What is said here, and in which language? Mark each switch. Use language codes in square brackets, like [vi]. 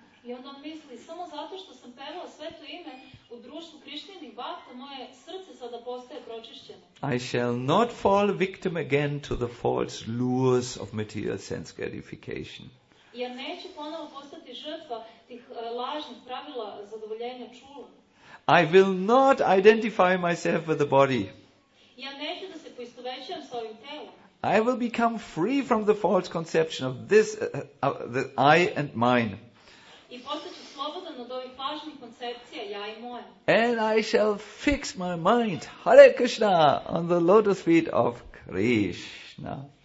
[sr] I onda misli, samo zato što sam pevao sveto ime u društvu Krišnjenih bhakta, moje srce sada postaje pročišćeno. [en] I shall not fall victim again to the false lures of material sense gratification. [sr] Ja neću ponovo postati žrtva tih lažnih pravila zadovoljenja čula. [en] I will not identify myself with the body. [sr] Ja neću da se poistovećujem s ovim telom. [en] I will become free from the false conception of this, the I and mine. [sr] I postaću slobodan od ovih lažnih koncepcija, ja i moje. [en] And I shall fix my mind, Hare Krishna, on the lotus feet of Krishna.